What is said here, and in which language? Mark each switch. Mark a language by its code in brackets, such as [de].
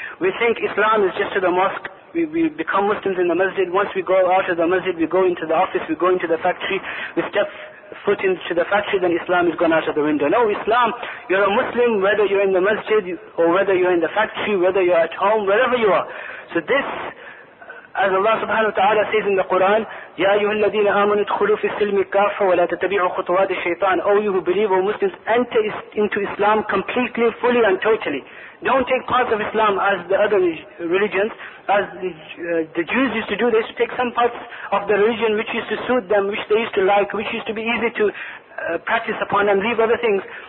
[en] We think Islam is just to the mosque. We become Muslims in the masjid. Once we go out of the masjid, we go into the office, we go into the factory, we step foot into the factory, then Islam is gone out of the window. No, Islam, you're a Muslim, whether you're in the masjid, or whether you're in the factory, whether you're at home, wherever you are. So this, as Allah subhanahu wa ta'ala says in the Quran, [ar] يَا أَيُّهَا الَّذِينَ آمَنُوا ادْخُلُوا فِي السِّلْمِ كَافَّةً وَلَا تَتَّبِعُوا خُطُوَاتِ الشَّيْطَانِ. [en] O you who believe, O Muslims, enter into Islam completely, fully and totally. Don't take parts of Islam as the other religions, as the Jews used to do. They used to take some parts of the religion which used to suit them, which they used to like, which used to be easy to practice upon, and leave other things.